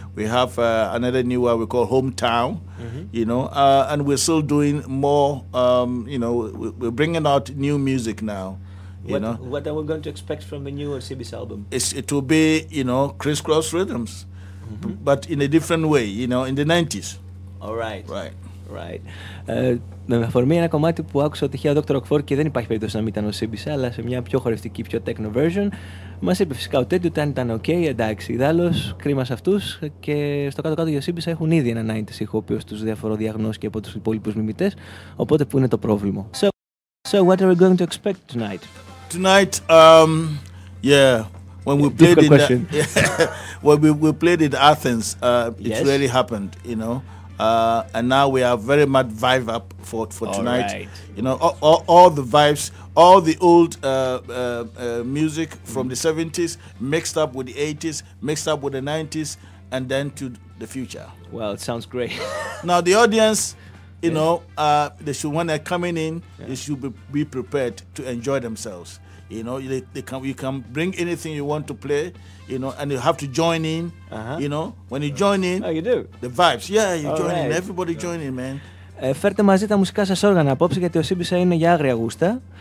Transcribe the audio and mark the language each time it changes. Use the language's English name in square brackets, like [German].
[English] We have another new one we call Hometown, you know. And we're still doing more, you know, we're bringing out new music now. What are we going to expect from the new Osibisa album? It will be, you know, crisscross rhythms, but in a different way, you know, in the 90s. All right. Right. Right. [Greek] Με αφορμή ένα κομμάτι που άκουσα τυχαία Dr. Rockfour και δεν υπάρχει περίπτωση να μην ήταν Osibisa, αλλά σε μια πιο χορευτική, πιο techno version, μας είπε φυσικά ο Teddy ότι αν ήταν OK, εντάξει, δάλλως, κρίμα σε αυτούς. Και στο κάτω-κάτω οι Osibisa έχουν ήδη ένα 90s ήχο, ο οποίος τους διαφορώ διαγνώσει και από τους υπόλοιπους μιμητές. Οπότε, πού είναι το πρόβλημα. [English] So, what are we going to expect tonight? Tonight, when we played difficult question. When we played in Athens, it really happened, you know. And now we are very much vibe up for tonight. Right. You know, all the vibes, all the old music from the 70s mixed up with the 80s, mixed up with the 90s, and then to the future. Well, it sounds great. Now the audience, they should, when they're coming in, they should be prepared to enjoy themselves. You know, you can bring anything you want to play, you know, and you have to join in, you know. When you join in, oh, you do. The vibes, you join in, everybody join in, man. [Greek] Φέρτε μαζί τα μουσικά σας όργανα απόψε, γιατί ο Osibisa είναι για άγρια γούστα.